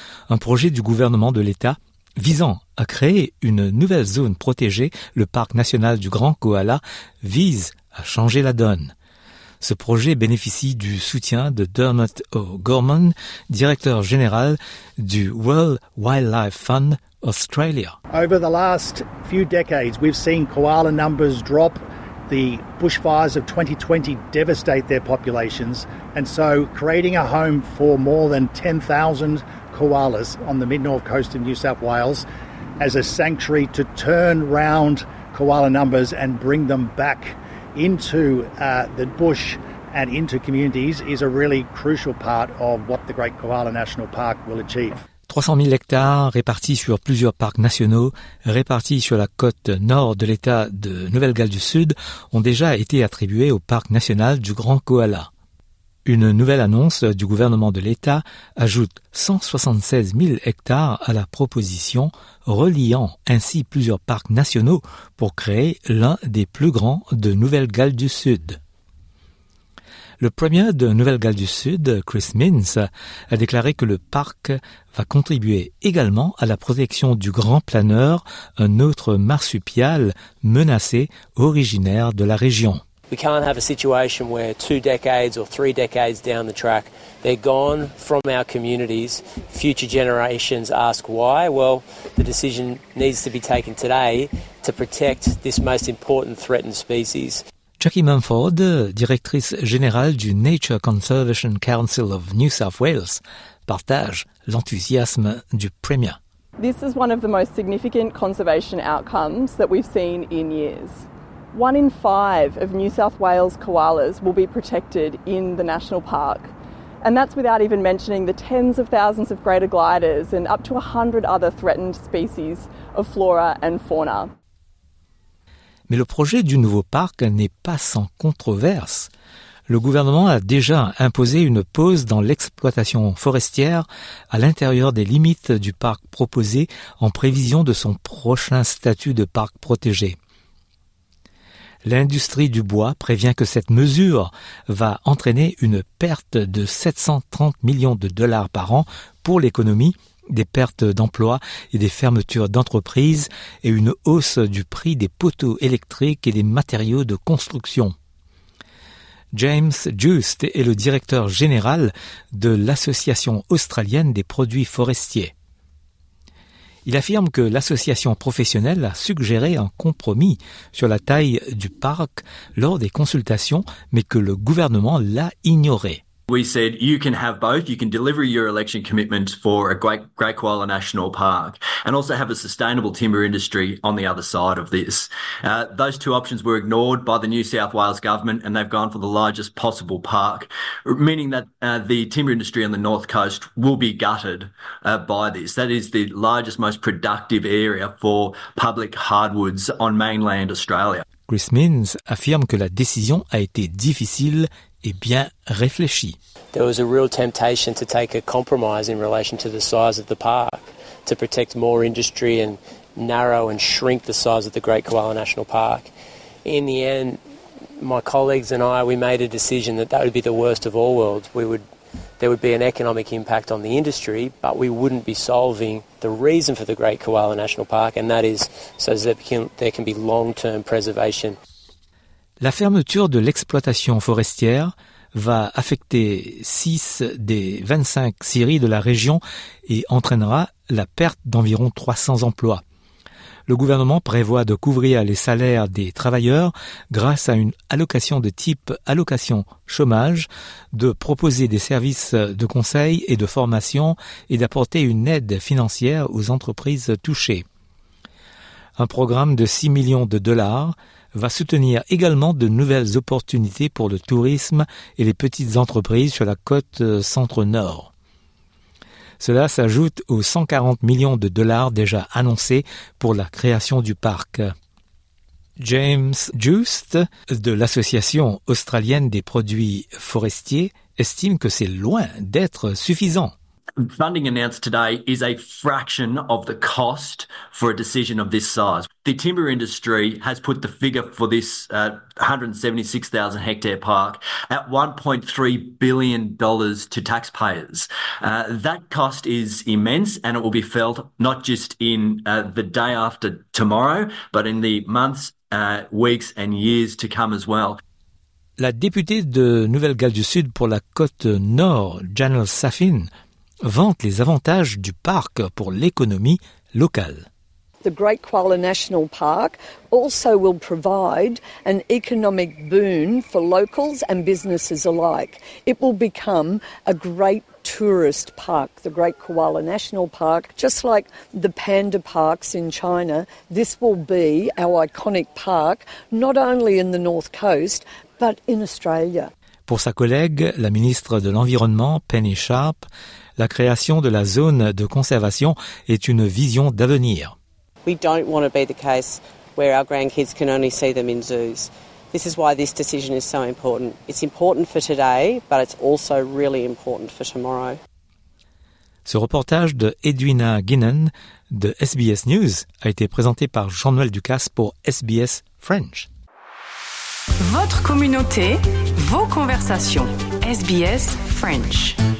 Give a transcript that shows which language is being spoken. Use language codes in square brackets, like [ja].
[fr] Un projet du gouvernement de l'État visant à créer une nouvelle zone protégée, le parc national du Grand Koala, vise à changer la donne. Ce projet bénéficie du soutien de Dermot O'Gorman, directeur général du World Wildlife Fund Australia. [en] Over the last few decades, we've seen koala numbers drop. The bushfires of 2020 devastate their populations, and so creating a home for more than 10,000 koalas on the mid-north coast of New South Wales as a sanctuary to turn round koala numbers and bring them back into the bush and into communities is a really crucial part of what the Great Koala National Park will achieve. [fr] 300 000 hectares répartis sur plusieurs parcs nationaux, répartis sur la côte nord de l'État de Nouvelle-Galles du Sud, ont déjà été attribués au parc national du Grand Koala. Une nouvelle annonce du gouvernement de l'État ajoute 176 000 hectares à la proposition, reliant ainsi plusieurs parcs nationaux pour créer l'un des plus grands de Nouvelle-Galles du Sud. Le premier de Nouvelle-Galles du Sud, Chris Minns, a déclaré que le parc va contribuer également à la protection du grand planeur, un autre marsupial menacé originaire de la région. [en] We can't have a situation where 2 decades or 3 decades down the track, they're gone from our communities. Future generations ask why. Well, the decision needs to be taken today to protect this most important threatened species. [fr] Jackie Mumford, directrice générale du Nature Conservation Council of New South Wales, partage l'enthousiasme du Premier. [en] This is one of the most significant conservation outcomes that we've seen in years. One in five of New South Wales koalas will be protected in the national park. And that's without even mentioning the tens of thousands of greater gliders and up to 100 other threatened species of flora and fauna. [fr] Mais le projet du nouveau parc n'est pas sans controverse. Le gouvernement a déjà imposé une pause dans l'exploitation forestière à l'intérieur des limites du parc proposé en prévision de son prochain statut de parc protégé. L'industrie du bois prévient que cette mesure va entraîner une perte de 730 millions de dollars par an pour l'économie, des pertes d'emplois et des fermetures d'entreprises et une hausse du prix des poteaux électriques et des matériaux de construction. James Joost est le directeur général de l'Association australienne des produits forestiers. Il affirme que l'association professionnelle a suggéré un compromis sur la taille du parc lors des consultations, mais que le gouvernement l'a ignoré. [en] We said you can have both. You can deliver your election commitment for a great koala national park and also have a sustainable timber industry on the other side of this. Those two options were ignored by the New South Wales government and they've gone for the largest possible park, meaning that the timber industry on the north coast will be gutted by this. That is the largest, most productive area for public hardwoods on mainland Australia. [fr] Chris Minns affirme que la décision a été difficile et bien réfléchi. [en] There was a real temptation to take a compromise in relation to the size of the park, to protect more industry and narrow and shrink the size of the Great Koala National Park. In the end, my colleagues and I, we made a decision that that would be the worst of all worlds. There would be an economic impact on the industry, but we wouldn't be solving the reason for the Great Koala National Park, and that is so that there can be long-term preservation. [fr] La fermeture de l'exploitation forestière va affecter 6 des 25 scieries de la région et entraînera la perte d'environ 300 emplois. Le gouvernement prévoit de couvrir les salaires des travailleurs grâce à une allocation de type allocation chômage, de proposer des services de conseil et de formation et d'apporter une aide financière aux entreprises touchées. Un programme de 6 millions de dollars va soutenir également de nouvelles opportunités pour le tourisme et les petites entreprises sur la côte centre-nord. Cela s'ajoute aux 140 millions de dollars déjà annoncés pour la création du parc. James Joost, de l'Association australienne des produits forestiers, estime que c'est loin d'être suffisant. [en] Funding announced today is a fraction of the cost for a decision of this size. The timber industry has put the figure for this 176,000 hectare park at $1.3 billion to taxpayers. That cost is immense and it will be felt not just in the day after tomorrow, but in the months, weeks and years to come as well. [fr] La députée de Nouvelle-Galles du Sud pour la côte nord, Janelle Saffin, vante les avantages du parc pour l'économie locale. [en] The Great Koala National Park also will provide an economic boon for locals and businesses alike. It will become a great tourist park, the Great Koala National Park, just like the panda parks in China. This will be our iconic park, not only in the North Coast, but in Australia. [fr] Pour sa collègue, la ministre de l'Environnement, Penny Sharp, la création de la zone de conservation est une vision d'avenir. [en] We don't want to be the case where our grandkids can only see them in zoos. This is why this decision is so important. It's important for today, but it's also really important for tomorrow. [fr] Ce reportage de Edwina Guinan de SBS News a été présenté par Jean-Noël Ducasse pour SBS French. Votre communauté, vos conversations. SBS French.